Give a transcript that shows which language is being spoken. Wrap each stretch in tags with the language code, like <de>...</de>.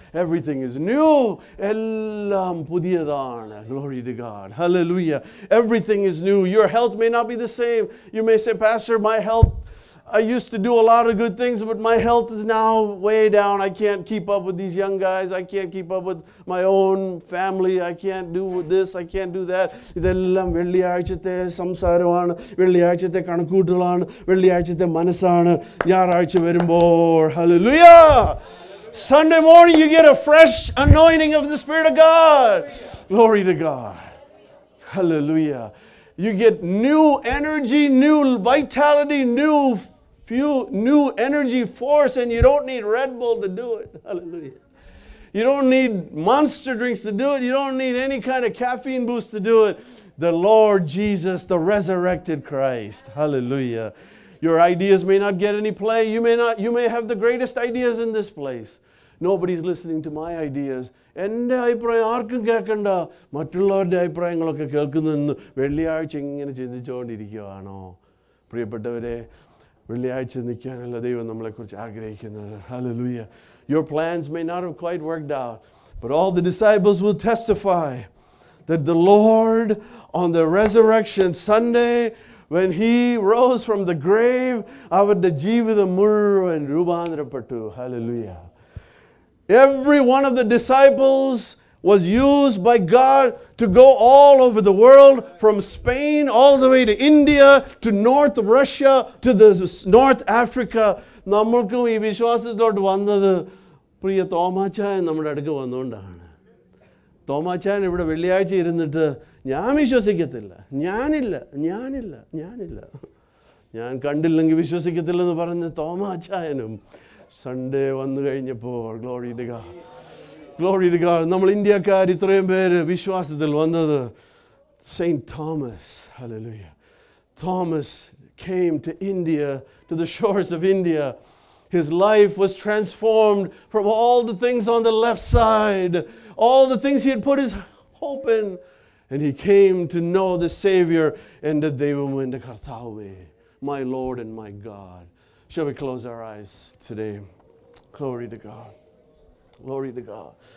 <en>Everything is new.</en> <ml>Ellam pudiyadana.</ml> <en>Glory to God. Hallelujah. Everything is new. Your health may not be the same. You may say, Pastor, my health, I used to do a lot of good things, but my health is now way down. I can't keep up with these young guys. I can't keep up with my own family. I can't do this. I can't do that.</en> <ml>ഇതെല്ലാം വെള്ളിയാഴ്ചത്തെ സംസാരമാണ്, വെള്ളിയാഴ്ചത്തെ കണക്കൂട്ടുകളാണ്, വെള്ളിയാഴ്ചത്തെ മനസ്സാണ്. ഞായറാഴ്ച വരുമ്പോൾ,</ml> <en>hallelujah, Sunday morning you get a fresh anointing of the Spirit of God. Glory to God. Hallelujah. You get new energy, new vitality, new energy force, and you don't need Red Bull to do it. Hallelujah. You don't need monster drinks to do it. You don't need any kind of caffeine boost to do it. The Lord Jesus, the resurrected Christ. Hallelujah. Your ideas may not get any play. You may have the greatest ideas in this place. Nobody's listening to my ideas.</en> <ml>എൻ്റെ അഭിപ്രായം ആർക്കും കേൾക്കണ്ട, മറ്റുള്ളവരുടെ അഭിപ്രായങ്ങളൊക്കെ കേൾക്കുന്നെന്ന് വെള്ളിയാഴ്ച ഇങ്ങനെ ചിന്തിച്ചുകൊണ്ടിരിക്കുകയാണോ? പ്രിയപ്പെട്ടവരെ, വെള്ളിയാഴ്ച നിൽക്കാനല്ല ദൈവം നമ്മളെക്കുറിച്ച് ആഗ്രഹിക്കുന്നത്.</ml> <en>Hallelujah. Your plans may not have quite worked out, but all the disciples will testify that the Lord on the resurrection Sunday, when he rose from the grave,</en> <ml>അവരുടെ ജീവിതം മുഴുവൻ രൂപാന്തരപ്പെട്ടു.</ml> <en>Hallelujah. Every one of the disciples was used by God to go all over the world, from Spain all the way to India, to North Russia, to the North Africa.</en> <ml>നമ്മൾക്കും ഈ വിശ്വാസത്തിലോട്ട് വന്നത് പ്രിയ തോമാച്ചായൻ നമ്മുടെ അടുക്ക് വന്നുകൊണ്ടാണ്. തോമാച്ചായൻ ഇവിടെ വെള്ളിയാഴ്ച ഇരുന്നിട്ട് ഞാൻ വിശ്വസിക്കത്തില്ല, ഞാനില്ല, ഞാനില്ല, ഞാനില്ല, ഞാൻ കണ്ടില്ലെങ്കിൽ വിശ്വസിക്കത്തില്ലെന്ന് പറഞ്ഞ് തോമാച്ചായനും സൺഡേ വന്നു കഴിഞ്ഞപ്പോൾ</ml> <en>Glory to God, glory to God.</en> <ml>നമ്മൾ ഇന്ത്യക്കാർ ഇത്രയും പേര് വിശ്വാസത്തിൽ വന്നത് saint Thomas, hallelujah.</ml> <en>Thomas came to India, to the shores of India. His life was transformed from all the things on the left side, all the things he had put his hope in, and he came to know the Savior and the Devam and the Kartavame, my Lord and my God. Shall we close our eyes today? Glory to God. Glory to God.</en>